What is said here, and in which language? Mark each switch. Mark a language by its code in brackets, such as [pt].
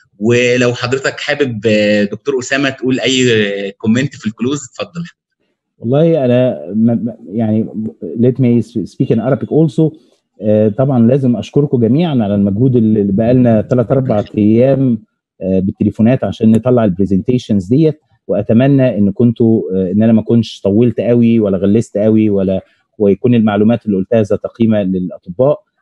[ar] ولو حضرتك حابب دكتور اسامه تقول اي كومنت في الكلوز اتفضل. والله انا يعني [en] let me speak in Arabic also. [ar] طبعا لازم اشكركم جميعا على المجهود اللي بقالنا 3 4 ايام بالتليفونات عشان نطلع البرزنتيشنز ديت، واتمنى ان كنتوا ان انا ما كنتش طولت قوي ولا غلست قوي، ولا ويكون المعلومات اللي قلتها ذات قيمه للاطباء.